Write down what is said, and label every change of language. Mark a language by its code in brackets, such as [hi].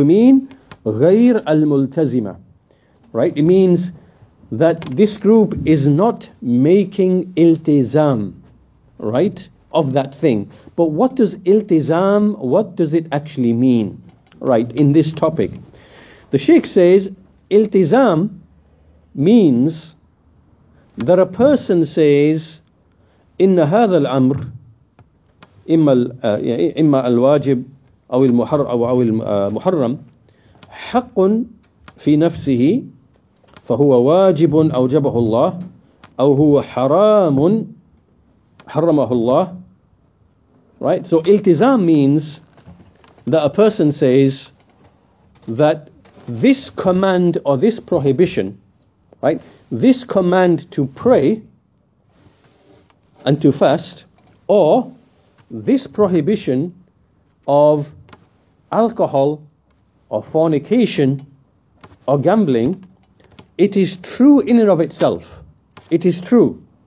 [en] We mean [ar] غير الملتزمة, [en] right? It means that this group is not making iltizam, right, of that thing. But what does iltizam, what does it actually mean, right, in this topic? The Shaykh says iltizam means that a person says [ar] إن هذا الأمر إما الواجب أو المحرم حق في نفسه فهو واجب أوجبه الله أو هو حرام حرمه الله. [en] Right, so iltizam means that a person says that this command or this prohibition, right, this command to pray and to fast, or this prohibition of alcohol or fornication or gambling, it is true in and of itself. It is true.